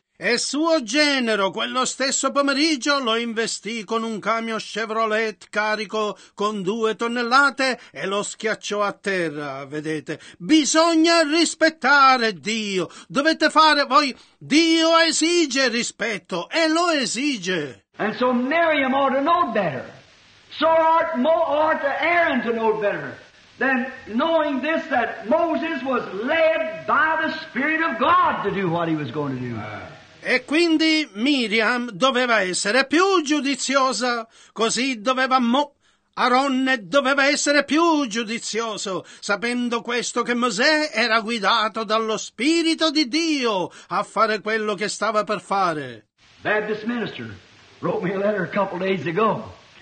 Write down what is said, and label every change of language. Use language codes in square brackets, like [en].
[it] E suo genero, quello stesso pomeriggio, lo investì con un camion Chevrolet carico con 2 tonnellate e lo schiacciò a terra, vedete. Bisogna rispettare Dio. Dovete fare voi. Dio esige rispetto e lo esige. [en] And so Miriam ought to know better. So art more art Aaron to know better than knowing this, that Moses was led by the Spirit of God to do what he was going to do. [it] E quindi Miriam doveva essere più giudiziosa, così doveva Aronne doveva essere più giudizioso, sapendo questo che Mosè era guidato dallo Spirito di Dio a fare quello che stava per fare. [en] Baptist minister wrote me a letter a couple days ago.